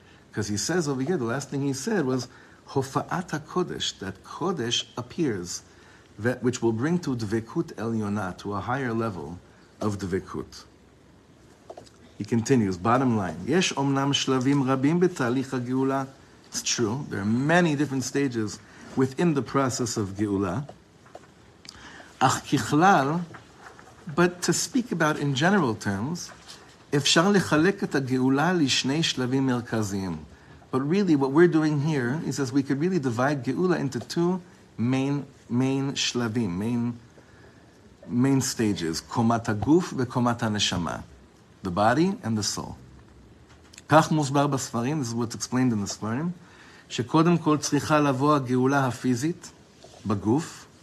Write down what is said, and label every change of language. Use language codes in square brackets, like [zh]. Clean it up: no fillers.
[en] Because he says over here, the last thing he said was, Hofa'at HaKodesh, that Kodesh appears, that which will bring to Dvekut Elyona, to a higher level of Dvekut. He continues, bottom line, [he] Yesh Omnam Shlavim Rabim B'Talich HaGeula. [en] It's true, there are many different stages within the process of Geula. [he] Ach Kichlal, [en] but to speak about in general terms, [he] אפשר לחלק את הגאולה לשני שלבים מרכזיים. [en] But really, what we're doing here is that we could really divide Geula into two main shlavim, main stages, [he] קומת הגוף וקומת הנשמה, [en] the body and the soul. [he] כך מוסבר בספרים, [en] this is what's explained in the [he] ספרים, שקודם כל צריכה לבוא הגאולה הפיזית בגוף.